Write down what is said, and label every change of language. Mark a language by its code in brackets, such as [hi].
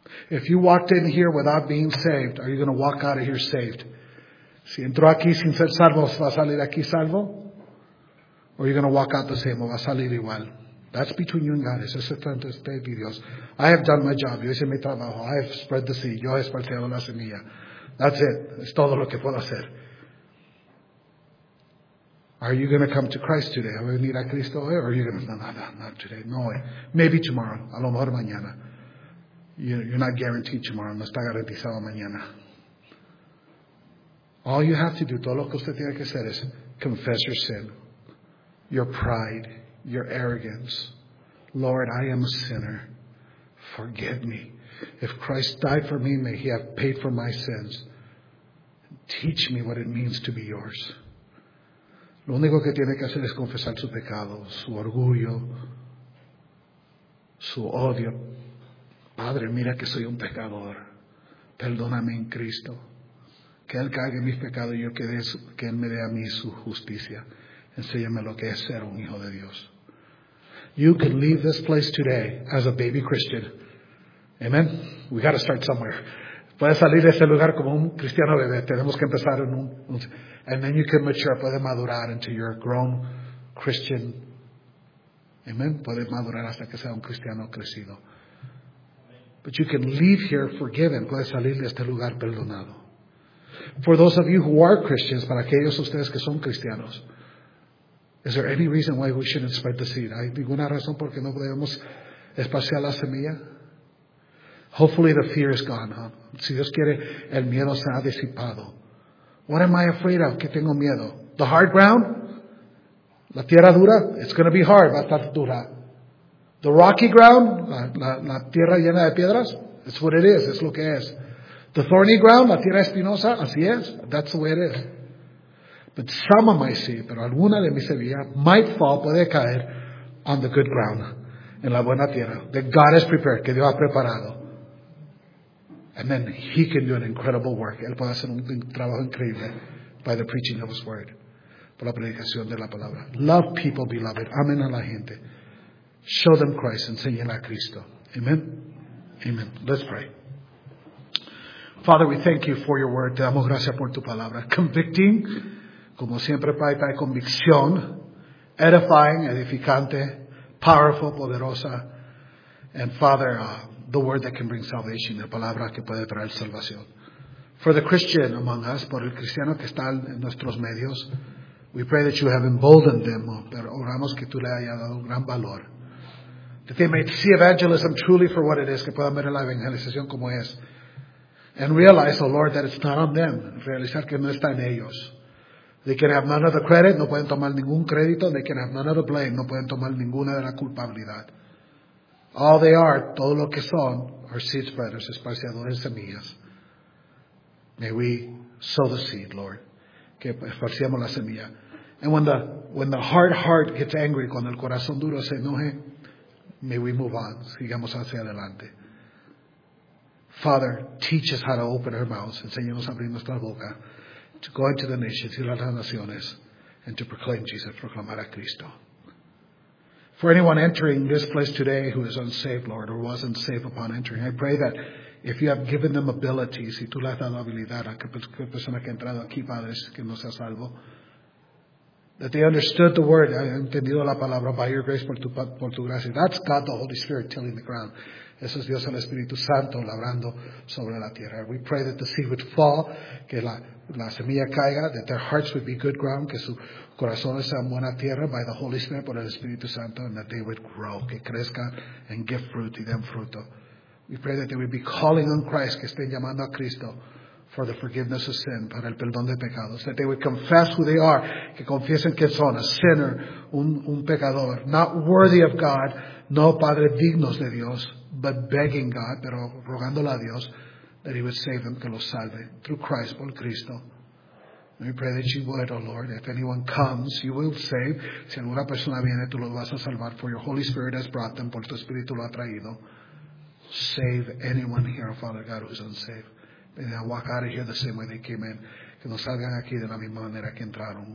[en] If you walked in here without being saved, are you going to walk out of here saved? [es] Si entró aquí sin ser salvo, ¿va a salir aquí salvo? [en] Or are you going to walk out the same? [es] ¿O va a salir igual? [en] That's between you and God. [es] Es ese tanto de Dios. [en] I have done my job. [es] Yo hice mi trabajo. [en] I have spread the seed. [es] Yo he esparcido la semilla. [en] That's it. [es] Es todo lo que puedo hacer. [en] Are you going to come to Christ today? [es] ¿Va a venir a Cristo hoy? [en] Or are you going to... No, not today. [es] No hoy. [en] Maybe tomorrow. [es] A lo mejor mañana. [en] You're not guaranteed tomorrow. [es] No está garantizado mañana. [en] All you have to do, [es] todo lo que usted tiene que hacer es [en] confess your sin, your pride, your arrogance. Lord, I am a sinner. Forgive me. If Christ died for me, may he have paid for my sins. Teach me what it means to be yours. [es] Lo único que tiene que hacer es confesar su pecado, su orgullo, su odio. Padre, mira que soy un pecador. Perdóname en Cristo. Que Él cargue mis pecados y yo que Él me dé a mí su justicia. Enséñame lo que es ser un hijo de Dios. [en] You can leave this place today as a baby Christian. Amen. We got to start somewhere. [es] Puedes salir de ese lugar como un cristiano bebé. Tenemos que empezar en un... [en] And then you can mature. [es] Puede madurar [en] into your grown Christian. Amen. [es] Puede madurar hasta que sea un cristiano crecido. [en] But you can leave here forgiven. [es] Puedes salir de este lugar perdonado. [en] For those of you who are Christians, [es] para aquellos ustedes que son cristianos, [en] is there any reason why we shouldn't spread the seed? [es] ¿Hay ninguna razón por qué no podemos esparcir la semilla? [en] Hopefully the fear is gone, huh? [es] Si Dios quiere, el miedo se ha disipado. [en] What am I afraid of? ¿Qué tengo miedo? The hard ground? [es] ¿La tierra dura? [en] It's going to be hard, [es] va a estar dura. [en] The rocky ground? [es] ¿La tierra llena de piedras? [en] It's what it is, [es] es lo que es. [en] The thorny ground, [es] la tierra espinosa, así es. [en] That's the way it is. But some of my seed, [es] pero alguna de mis semillas, [en] might fall, [es] puede caer, [en] on the good ground, [es] en la buena tierra, [en] that God has prepared, [es] que Dios ha preparado. [en] And then he can do an incredible work. [es] Él puede hacer un trabajo increíble [en] by the preaching of his word, [es] por la predicación de la palabra. [en] Love people, beloved. [es] Amen a la gente. [en] Show them Christ. [es] Enseñenle a Cristo. [en] Amen. Amen. Let's pray. Father, we thank you for your word. [es] Te damos gracias por tu palabra. [en] Convicting, [es] como siempre, Padre, trae convicción. [en] Edifying, [es] edificante. [en] Powerful, [es] poderosa. [en] And Father, the word that can bring salvation. [es] La palabra que puede traer salvación. [en] For the Christian among us, [es] por el cristiano que está en nuestros medios, [en] we pray that you have emboldened them. [es] Pero oramos que tú le hayas dado un gran valor. [en] That they may see evangelism truly for what it is. [es] Que puedan ver la evangelización como es. [en] And realize, oh Lord, that it's not on them. [es] Realizar que no está en ellos. [en] They can have none of the credit, [es] no pueden tomar ningún crédito. [en] They can have none of the blame, [es] no pueden tomar ninguna de la culpabilidad. [en] All they are, [es] todo lo que son, [en] are seed spreaders, [es] esparciadores de semillas. [en] May we sow the seed, Lord. [es] Que esparciamos la semilla. [en] And when the hard heart gets angry, [es] cuando el corazón duro se enoje, [en] may we move on, [es] sigamos hacia adelante. [en] Father, teach us how to open our mouths. [es] Enséñanos a abrir nuestra boca. [en] To go into the nations, [es] y las naciones, [en] and to proclaim Jesus, [es] proclamar a Cristo. [en] For anyone entering this place today who is unsaved, Lord, or wasn't saved upon entering, I pray that if you have given them abilities, [es] si tú le has dado habilidad a cualquier persona que ha entrado aquí, Padre, que no sea salvo, [en] that they understood the word, [es] han entendido la palabra, [en] by your grace, [es] por tu gracia. [en] That's God, the Holy Spirit, tilling the ground. [es] Eso es Dios, el Espíritu Santo, labrando sobre la tierra. [en] We pray that the seed would fall, [es] que la semilla caiga, [en] that their hearts would be good ground, [es] que sus corazones sean buena tierra, [en] by the Holy Spirit, [es] por el Espíritu Santo, [en] and that they would grow, [es] que crezca, [en] and give fruit, [es] y den fruto. [en] We pray that they would be calling on Christ, [es] que estén llamando a Cristo, [en] for the forgiveness of sin, [es] para el perdón de pecados. [en] That they would confess who they are, [es] que confiesen que son [en] a sinner, [es] un pecador, [en] not worthy of God, [es] no padre dignos de Dios, [en] but begging God, [es] pero rogándole a Dios, [en] that he would save them, [es] que los salve, [en] through Christ, [es] por Cristo. [en] And we pray that you would, O Lord, if anyone comes, you will save. [es] Si alguna persona viene, tú lo vas a salvar, [en] for your Holy Spirit has brought them, [es] por tu Espíritu lo ha traído. [en] Save anyone here, Father God, who is unsaved. And they'll walk out of here the same way they came in. [es] Que no salgan aquí de la misma manera que entraron.